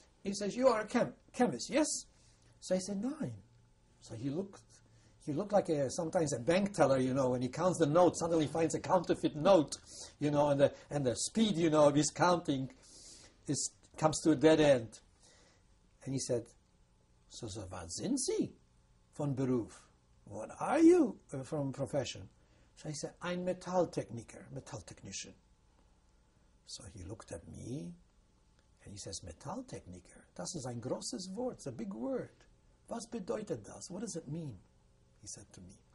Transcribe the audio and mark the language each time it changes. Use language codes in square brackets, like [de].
[en] He says, "You are a chemist, yes?" So I said, "Nine." So he looked. He looked like sometimes a bank teller, you know, when he counts the notes, suddenly finds a counterfeit note, you know, and the speed, you know, of his counting comes to a dead end. And he said, [de] so was sind Sie von Beruf? [en] What are you from profession? So I said, I'm metal technician. So he looked at me and he says, metal techniker, [de] das ist ein großes Wort, [en] it's a big word. [de] Was bedeutet das? [en] What does it mean? He said to me.